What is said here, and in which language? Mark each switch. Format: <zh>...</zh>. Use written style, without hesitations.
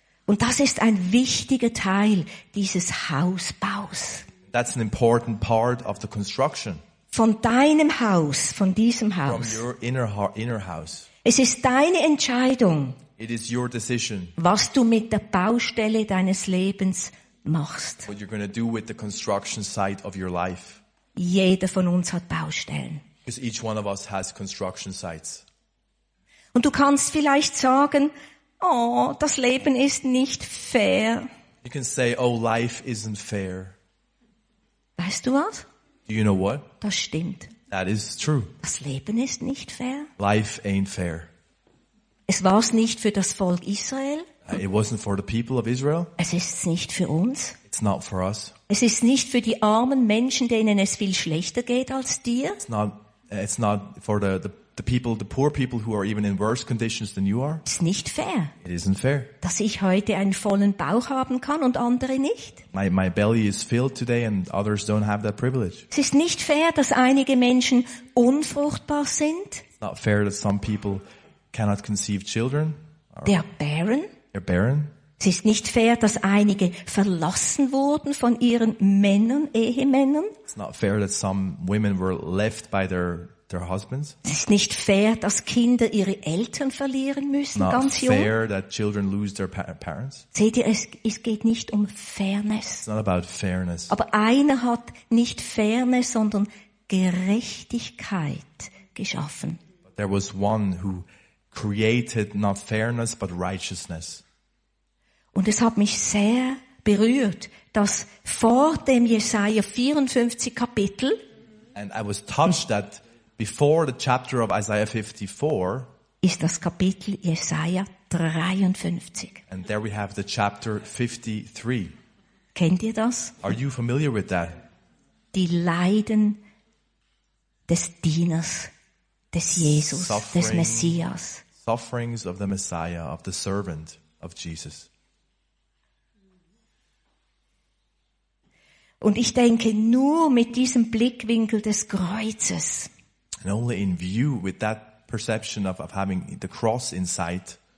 <de>Und das ist ein wichtiger Teil dieses Hausbaus.</de> <en>That's an important part of the construction.</en> <de>Von deinem Haus, von diesem Haus.</de> <en>From your inner house.</en> <de>Es ist deine Entscheidung.</de> <en>It is your decision.</en> <de>Was du mit der Baustelle deines Lebens machst.</de> <en>What you're going to do with the construction site of your life.</en> <de>Jeder von uns hat Baustellen.</de> <en>Because each one of us has construction sites.</en> <de>Und du kannst vielleicht sagen, oh, das Leben ist nicht fair.</de> <en>You can say, oh, life isn't fair.</en> <de>Weißt du was?</de> <en>Do you know what?</en> <de>Das stimmt.</de> <en>That is true.</en> <de>Das Leben ist nicht fair.</de> <en>Life ain't fair.</en> <de>Es war's nicht für das Volk Israel.</de> <en>It wasn't for the people of Israel.</en> <de>Es ist's nicht für uns.</de> <en>It's not for us.</en> <de>Es ist nicht für die armen Menschen, denen es viel schlechter geht als dir.</de> <en>It's not for the people, the poor people who are even in worse conditions than you are.</en> <de>It's nicht fair.</de> <en>It isn't fair.</en> <de>Dass ich heute einen vollen Bauch haben kann und andere nicht.</de> <en>My belly is filled today and others don't have that privilege.</en> <de>Es ist nicht fair, dass einige Menschen unfruchtbar sind.</de> <en>It's not fair that some people cannot conceive children. They're barren. They're barren.</en> <de>Es ist nicht fair, dass einige verlassen wurden von ihren Männern, Ehemännern.</de> <en>It's not fair that some women were left by their husbands.</en> <de>Es ist nicht fair, dass Kinder ihre Eltern verlieren müssen,</de> <en>not</en> <de>ganz jung.</de> <en>It's not fair that children lose their parents.</en> <de>Seht ihr, es geht nicht um Fairness.</de> <en>It's not about fairness.</en> <de>Aber einer hat nicht Fairness, sondern Gerechtigkeit geschaffen.</de> <en>But there was one who created not fairness, but righteousness.</en> <de>Und es hat mich sehr berührt, dass vor dem Jesaja 54 Kapitel,</de> <en>and I was touched that before the chapter of Isaiah 54,</en> <de>ist das Kapitel Jesaja 53.</de> <en>And there we have the chapter 53.</en> <de>Kennt ihr das?</de> <en>Are you familiar with that?</en> <de>Die Leiden des Dieners, des Jesus, suffering, des Messias.</de> <en>Sufferings of the Messiah, of the servant of Jesus.</en> <de>Und ich denke, nur mit diesem Blickwinkel des Kreuzes.</de> <en>And only in view with that perception of having the cross in sight,</en>